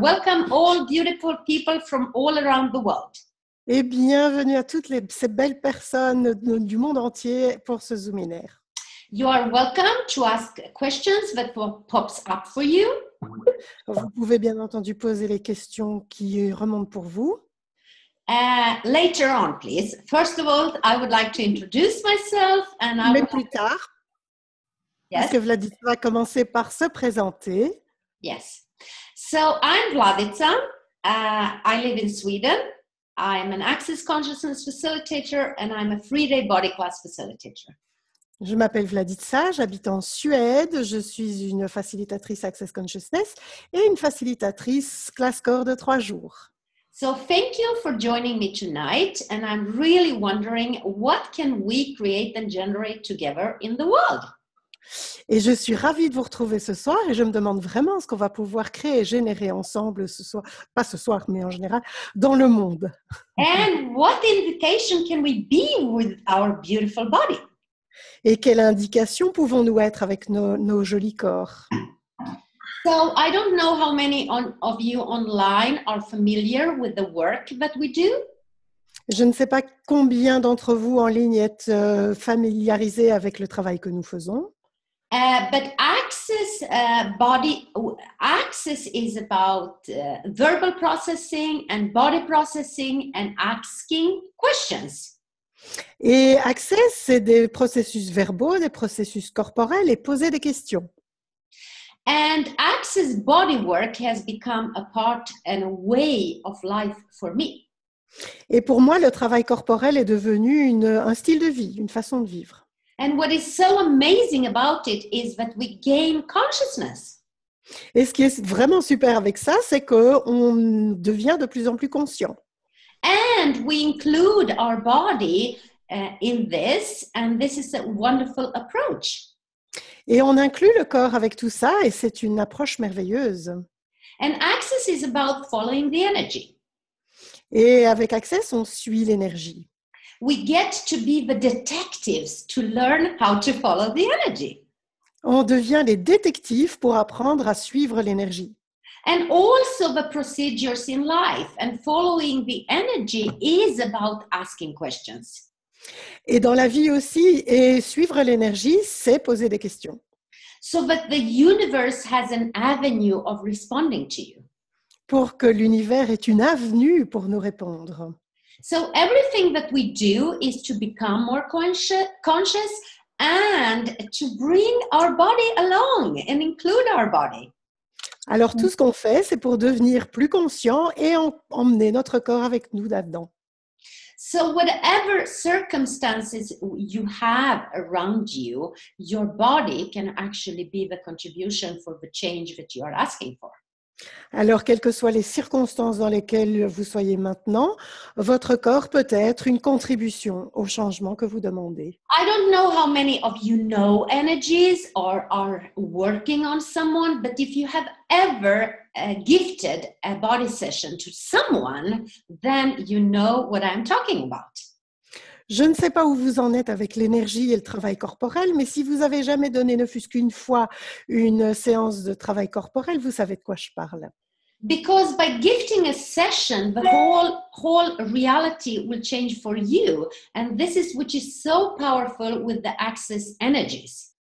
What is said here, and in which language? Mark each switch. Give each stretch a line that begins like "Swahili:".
English: Welcome all beautiful people from all around the world.
French: Et bienvenue à toutes ces belles personnes du monde entier pour ce Zoominar.
English: You are welcome to ask questions that pops up for you.
French: Vous pouvez bien entendu poser les questions qui remontent pour vous.
English: Later on, please. First of all, I would like to introduce myself.
French: Plus tard.
English: Yes.
French: Est-ce que Vladica va commencer par se présenter?
English: Yes. So, I'm Vladica. I live in Sweden. I'm an Access Consciousness Facilitator and I'm a 3-day body class facilitator.
French: Je m'appelle Vladica, j'habite en Suède. Je suis une facilitatrice Access Consciousness et une facilitatrice classe corps de 3 jours.
English: So, thank you for joining me tonight and I'm really wondering what can we create and generate together in the world?
French: Et je suis ravie de vous retrouver ce soir et je me demande vraiment ce qu'on va pouvoir créer et générer ensemble ce soir, pas ce soir, mais en général, dans le monde.
English: And what invitation can we be with our beautiful body?
French: Et quelle indication pouvons-nous être avec nos jolis corps?
English: So, I don't know how many of you online are familiar with the work that we do.
French: Je ne sais pas combien d'entre vous en ligne êtes familiarisés avec le travail que nous faisons.
English: But Access body Access is about verbal processing and body processing and asking questions.
French: Et Access, c'est des processus verbaux, des processus corporels et poser des questions.
English: And Access body work has become a part and a way of life for me.
French: Et pour moi, le travail corporel est devenu un style de vie, une façon de vivre.
English: And what is so amazing about it is that we gain consciousness.
French: Et ce qui est vraiment super avec ça, c'est qu'on devient de plus en plus conscient.
English: And we include our body in this, and this is a wonderful approach.
French: Et on inclut le corps avec tout ça, et c'est une approche merveilleuse.
English: And Access is about following the energy.
French: Et avec Access, on suit l'énergie.
English: We get to be the detectives to learn how to follow the energy.
French: On devient les détectives pour apprendre à suivre l'énergie.
English: And also the procedures in life and following the energy is about asking questions.
French: Et dans la vie aussi, et suivre l'énergie, c'est poser des questions.
English: So that the universe has an avenue of responding to you.
French: Pour que l'univers ait une avenue pour nous répondre.
English: So everything that we do is to become more conscious and to bring our body along and include our body.
French: Alors tout ce qu'on fait, c'est pour devenir plus conscient et emmener notre corps avec nous là-dedans.
English: So whatever circumstances you have around you, your body can actually be the contribution for the change that you are asking for.
French: Alors, quelles que soient les circonstances dans lesquelles vous soyez maintenant, votre corps peut être une contribution au changement que vous demandez.
English: I don't know how many of you know energies or are working on someone, but if you have ever gifted a body session to someone, then you know what I'm talking about.
French: Je ne sais pas où vous en êtes avec l'énergie et le travail corporel, mais si vous avez jamais donné, ne fût-ce qu'une fois, une séance de travail corporel, vous savez de quoi je parle.
English: Because by gifting a session, the whole reality will change for you, and this is which is so powerful with the Access energies.